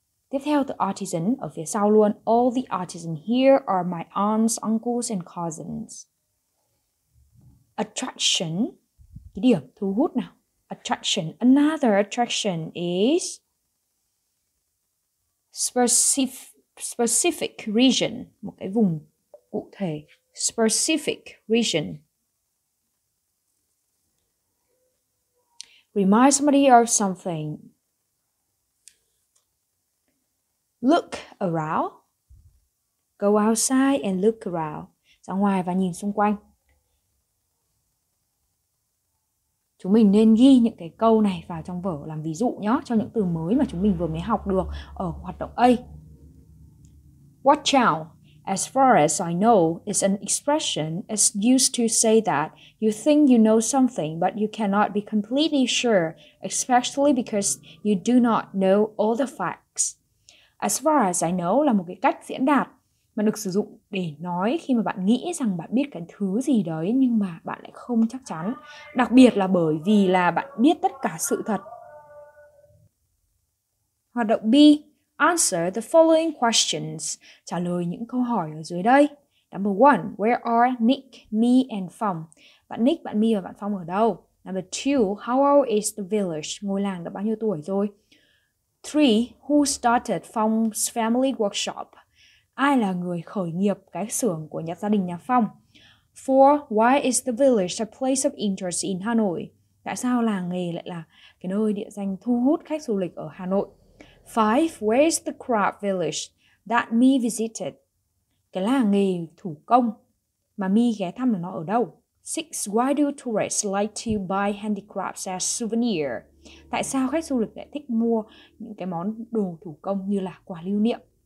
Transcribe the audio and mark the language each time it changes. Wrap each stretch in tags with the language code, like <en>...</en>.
<vi>Tiếp theo từ artisan ở phía sau luôn.</vi> <en>All the artisans here are my aunts, uncles and cousins. Attraction.</en> <vi>Cái điểm thu hút nào. Attraction.</vi> <en>Another attraction is specific region.</en> <vi>Một cái vùng cụ thể.</vi> <en>Specific region. Remind somebody of something. Look around. Go outside and look around.</en> <vi>Ra ngoài và nhìn xung quanh. Chúng mình nên ghi những cái câu này vào trong vở làm ví dụ nhé, cho những từ mới mà chúng mình vừa mới học được ở hoạt động A.</vi> <en>Watch out. As far as I know, it's an expression is used to say that you think you know something, but you cannot be completely sure, especially because you do not know all the facts. As far as I know</en> <vi>là một cái cách diễn đạt mà được sử dụng để nói khi mà bạn nghĩ rằng bạn biết cái thứ gì đấy nhưng mà bạn lại không chắc chắn. Đặc biệt là bởi vì là bạn biết tất cả sự thật. Hoạt động B.</vi> <en>Answer the following questions.</en> <vi>Trả lời những câu hỏi ở dưới đây.</vi> <en>Number 1. Where are Nick, me and Phong?</en> <vi>Bạn Nick, bạn Mi và bạn Phong ở đâu?</vi> <en>Number 2. How old is the village?</en> <vi>Ngôi làng đã bao nhiêu tuổi rồi? 3. Who started Phong's family workshop? Ai là người khởi nghiệp cái xưởng của nhà gia đình nhà Phong?</vi> <en>4. Why is the village a place of interest in Hanoi?</en> <vi>Tại sao làng nghề lại là cái nơi địa danh thu hút khách du lịch ở Hà Nội?</vi> <en>5. Where is the craft village that Mi visited?</en> <vi>Cái làng nghề thủ công mà Mi ghé thăm là nó ở đâu? 6.</vi> <en>Why do tourists like to buy handicrafts as souvenir?</en> <vi>Tại sao khách du lịch lại thích mua những cái món đồ thủ công như là quà lưu niệm?</vi>